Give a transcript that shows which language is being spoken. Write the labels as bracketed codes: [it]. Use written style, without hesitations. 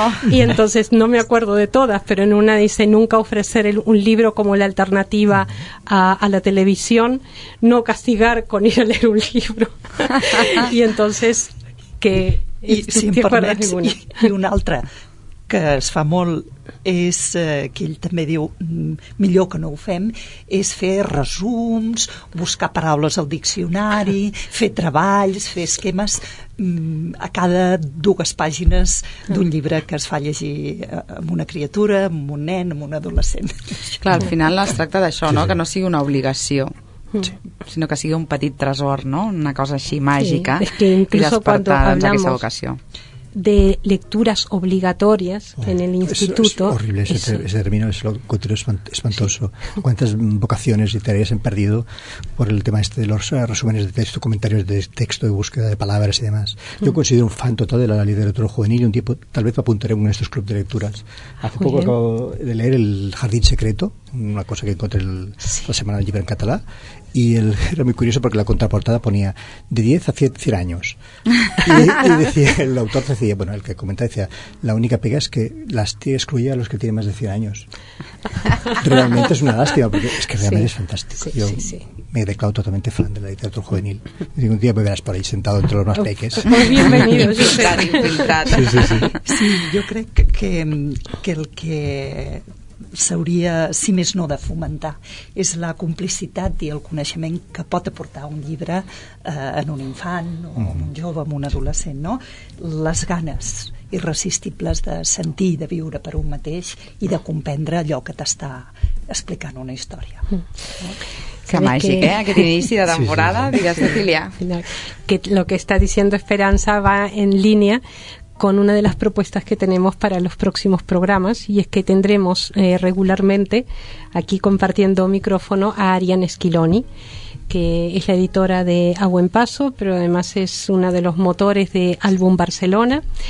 [es] Y entonces no me acuerdo de todas, pero en una dice: nunca ofrecer un libro como la alternativa a la televisión, no castigar con ir a leer un libro. Y entonces que [ca] i si em permets, i un altre que es fa molt és, que ell també diu, millor que no ho fem, és fer resums, buscar paraules al diccionari, fer treballs, fer esquemes a cada dues pàgines d'un llibre que es fa llegir amb una criatura, amb un nen, amb un adolescent. Clar, al final es tracta d'això, no? Que no sigui una obligació. Sí. Sinó que sigui un petit tresor, no? Una cosa així màgica, [es] sí. Es que incluso cuando hablamos de lecturas obligatorias en el instituto es horrible ese término, es lo cultural espantoso, sí. Cuántas vocaciones y tareas han perdido por el tema este de los resúmenes de texto, comentarios de texto, de búsqueda de palabras y demás. Yo considero un fan total de la literatura juvenil, y un tiempo tal vez me apuntaré en uno de estos clubes de lecturas. Hace poco acabo de leer El Jardín Secreto, una cosa que encontré la semana del libro en catalán, y era muy curioso porque la contraportada ponía de 10 a 100 años. Y decía, el autor decía, bueno, el que comentaba decía, la única pega es que las excluye a los que tienen más de 100 años. Realmente es una lástima, porque es que realmente sí, es fantástico. Sí, yo sí. Me declaro totalmente fan de la literatura juvenil. Y un día me verás por ahí sentado entre los más peques. Bienvenido, José. Sí. Sí, yo creo que [ca] el que s'hauria, si més no, de fomentar és la complicitat i el coneixement que pot aportar un llibre en un infant o en un jove, en un adolescent, no? Les ganes irresistibles de sentir i de viure per un mateix i de comprendre allò que t'està explicant una història. Que màgic, eh? Aquest inici de temporada, digues, Cecília. [es] Que lo que está diciendo Esperanza va en línea con una de las propuestas que tenemos para los próximos programas, y es que tendremos regularmente aquí compartiendo micrófono a Arian Schiloni, que es la editora de A Buen Paso, pero además es una de los motores de Álbum Barcelona.